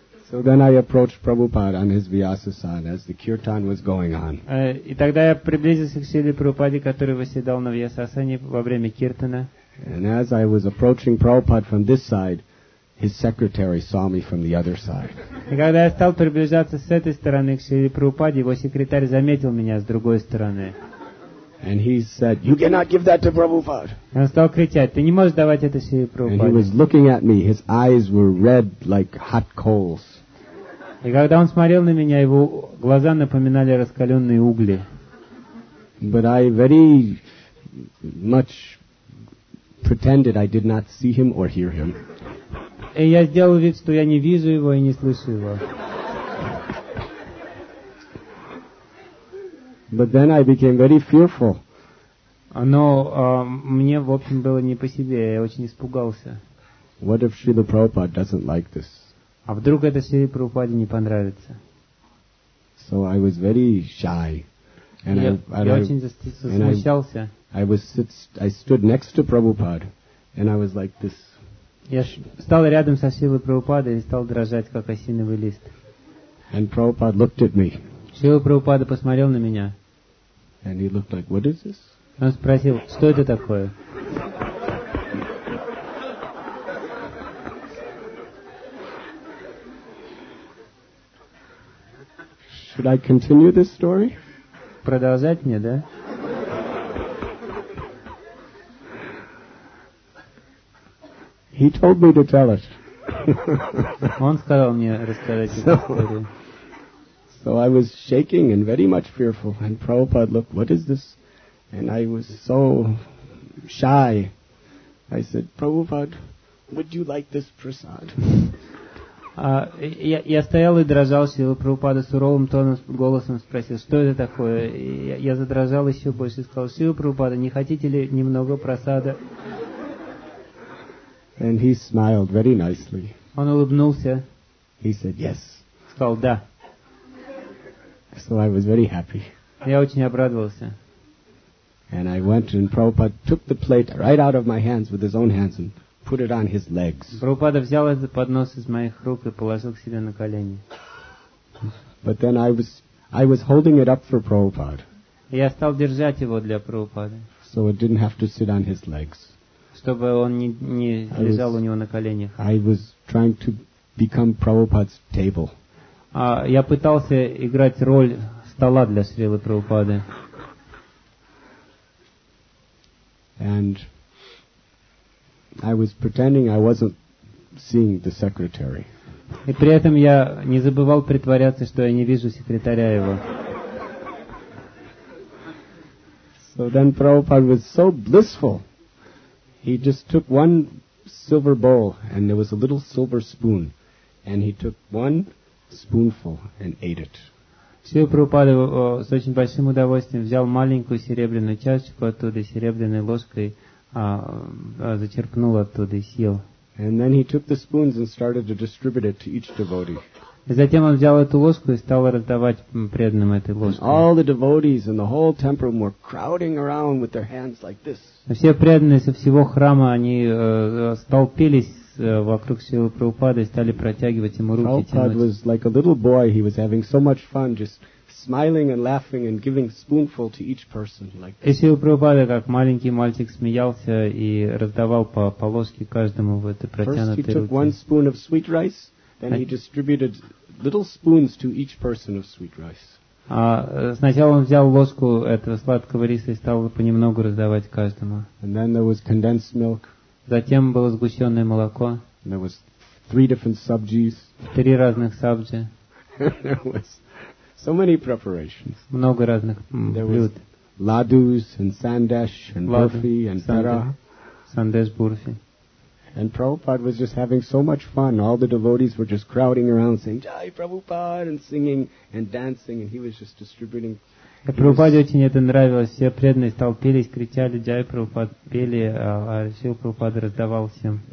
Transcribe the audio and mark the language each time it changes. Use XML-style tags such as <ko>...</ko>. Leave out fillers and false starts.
<en>So then I approached Prabhupada on his Vyasasana as the kirtan was going on.</en> <ru>И тогда я приблизился к Шриле Прабхупаде, который восседал на Вьясасане во время киртана.</ru> <en>And as I was approaching Prabhupada from this side, his secretary saw me from the other side.</en> <ru>И когда я стал приближаться с этой стороны к Шриле Прабхупаде, его секретарь заметил меня с другой стороны.</ru> <en>And he said, "You cannot give that to Prabhupada."</en> <ru>Он стал кричать, ты не можешь давать это Шри Прабхупаде.</ru> <en>And he was looking at me. His eyes were red like hot coals.</en> <ru>И когда он смотрел на меня, его глаза напоминали раскаленные угли.</ru> <en>But I very much pretended I did not see him or hear him.</en> <ru>И я сделал вид, что я не вижу его и не слышу его.</ru> <en>But then I became very fearful.</en> <ru>Но мне, в общем, было не по себе. Я очень испугался.</ru> <en>What if Srila Prabhupada doesn't like this?</en> <ru>А вдруг это Шриле Прабхупаде не понравится?</ru> <en>So I was very shy.</en> <ru>And я очень засмущался.</ru> <en>I stood next to Prabhupada, and I was like this.</en> <ru>Я стал рядом со Шрилой Прабхупадой и стал дрожать, как осиновый лист.</ru> <en>And Prabhupada looked at me.</en> <ru>Шрила Прабхупада посмотрел на меня.</ru> <en>And he looked like, what is this?</en> <ru>Он спросил, что это такое?</ru> <en>Should I continue this story?</en> <ru>Продолжать мне, да?</ru> <en>He told me to tell it.</en> <ru>Он сказал мне рассказать эту историю.</ru> <en>So I was shaking and very much fearful. And Prabhupada looked, what is this? And I was so shy. I said, Prabhupada, would you like this prasad?</en> <ru>Я стоял и дрожал, и Прабхупада суровым тоном, голосом спросил, что это такое? Я задрожал еще больше и сказал, Шрила Прабхупада, не хотите ли немного прасада?</ru> <en>And he smiled very nicely.</en> <ru>Он улыбнулся.</ru> <en>He said, yes.</en> <ru>Сказал, да.</ru> <en>So I was very happy.</en> <ru>Я очень обрадовался.</ru> <en>And I went and Prabhupada took the plate right out of my hands with his own hands and put it on his legs.</en> <ru>Прабхупада взял этот поднос из моих рук и положил к себе на колени.</ru> <en>But then I was holding it up for Prabhupada.</en> <ru>Я стал держать его для Прабхупады.</ru> <en>So it didn't have to sit on his legs.</en> <ru>Чтобы он не лежал у него на коленях.</ru> <en>I was trying to become Prabhupada's table.</en> <ru>Я пытался играть роль стола для Шрилы Прабхупады.</ru> <en>And I was pretending I wasn't seeing the secretary.</en> <ru>И при этом я не забывал притворяться, что я не вижу секретаря его.</ru> <en>So then Prabhupada was so blissful. He just took one silver bowl and there was a little silver spoon. And he took one spoonful and ate it.</en> <ru>Шрила Прабхупада с очень большим удовольствием взял маленькую серебряную чашечку оттуда, серебряной ложкой зачерпнул оттуда и съел.</ru> <en>And then he took the spoons and started to distribute it to each devotee.</en> <ru>И затем он взял эту ложку и стал раздавать преданным этой ложкой.</ru> <en>And all the devotees in the whole temple were crowding around with their hands like this.</en> <ru>Все преданные со всего храма они столпились вокруг Шрилы Прабхупады и стали протягивать ему руки.</ru> <en>Prabhupada was like a little boy. He was having so much fun, just smiling and laughing and giving spoonful to each person.</en> <ru>И Шрила Прабхупада как маленький мальчик смеялся и раздавал по ложке каждому в этой протянутой руке.</ru> <en>First he took one spoon of sweet rice, then he distributed little spoons to each person of sweet rice.</en> <ru>Сначала он взял ложку этого сладкого риса и стал понемногу раздавать каждому.</ru> <en>And then there was condensed milk.</en> <ru>Затем было сгущенное молоко.</ru> <en>There was three different subjis.</en> <ru>Три разных сабджи.</ru> <en>There was so many preparations.</en> <ru>Много разных блюд.</ru> <en>There was ladus and sandesh and burfi and tara.</en> <ru>Sandesh burfi.</ru> <en>And Prabhupada was just having so much fun. All the devotees were just crowding around saying, Jai Prabhupada, and singing and dancing, and he was just distributing.</en> <ru>Prabhupada очень это нравилось. Все преданные столпились, кричали, Jai Prabhupada, пели, а Шрила Прабхупада раздавал всем.</ru>